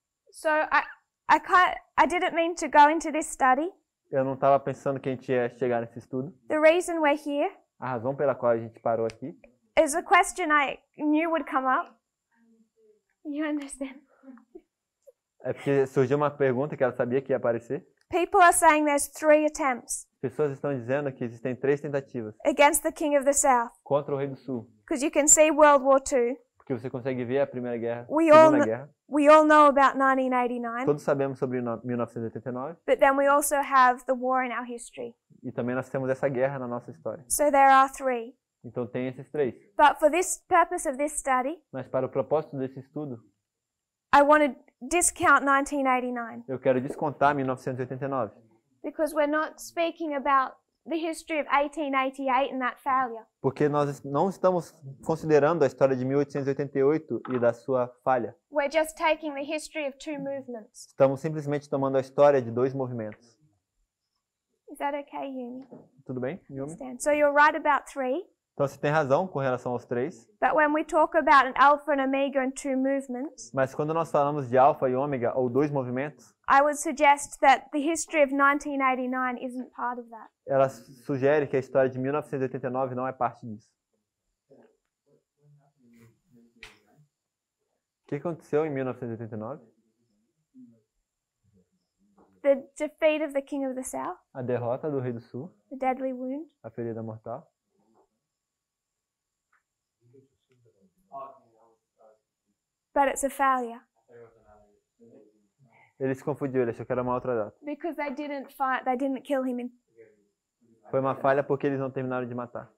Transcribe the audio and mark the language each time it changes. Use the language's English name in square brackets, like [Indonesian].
[English] So I didn't mean to go into this study. [Portuguese] Eu não estava pensando que a gente ia chegar nesse estudo. [English] The reason we're here. [Portuguese] A razão pela qual a gente parou aqui. [English] Is a question I knew would come up. You understand? [Portuguese] É porque surgiu uma pergunta que ela sabia que ia aparecer. [English] People are saying there's three attempts. [Portuguese] Pessoas estão dizendo que existem três tentativas. [English] Against the King of the South. [Portuguese] Contra o Rei do Sul. [English] Because you can see World War II. [Portuguese] Porque você consegue ver a Primeira Guerra. [English] We all know about 1989. [Portuguese] Todos sabemos sobre 1989. [English] But then we also have the war in our history. [Portuguese] E também nós temos essa guerra na nossa história. [English] So there are three. [Portuguese] Então tem esses três. [English] But for this purpose of this study. [Portuguese] Mas para o propósito desse estudo. [English] I want to discount 1989. [Portuguese] Eu quero descontar 1989. [English] Because we're not speaking about the history of 1888 and that failure. [Portuguese] Porque nós não estamos considerando a história de 1888 e da sua falha. [English] We're just taking the history of two movements. [Portuguese] Estamos simplesmente tomando a história de dois movimentos. [English] Is that okay, Yumi? [Portuguese] Tudo bem, Yumi? [English] Stand. So you're right about three. [Portuguese] Então você tem razão com relação aos três. [English] But when we talk about an alpha and omega and two movements. [Portuguese] Mas quando nós falamos de alfa e ômega ou dois movimentos. [English] I would suggest that the history of 1989 isn't part of that. [Portuguese] Ela sugere que a história de 1989 não é parte disso. O que aconteceu em 1989? [English] The defeat of the King of the South. [Portuguese] A derrota do Rei do Sul. [English] The deadly wound. [Portuguese] A ferida mortal. [English] The But it's a failure. [Portuguese] Ele se confundiu, ele achou que era uma outra data. [English] Because they didn't fight, they didn't kill him in. [Portuguese] Foi uma falha porque eles não terminaram de matar.